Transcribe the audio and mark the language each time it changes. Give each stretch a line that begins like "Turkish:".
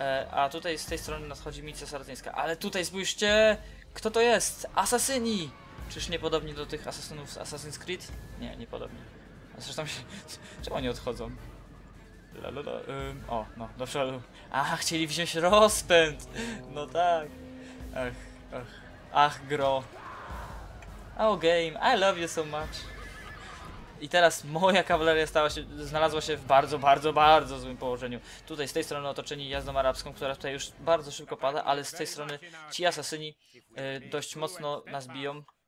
Polish: A tutaj z tej strony nadchodzi misja sarazyńska. Ale tutaj spójrzcie! Kto to jest? Asasyni! Czyż nie podobni do tych asasynów z Assassin's Creed? Nie, nie podobni. Zresztą się... Czemu oni odchodzą? Lalala, o, no, do przodu. Aha, chcieli wziąć rozpęd! No tak. Ach, ach. Ach, gro.
English: Oh, game, I love you so much.
Polish: I teraz moja kawaleria znalazła się w bardzo, bardzo, bardzo złym położeniu. Tutaj z tej strony otoczeni jazdą arabską, która tutaj już bardzo szybko pada, ale z tej strony ci asasyni dość mocno nas biją.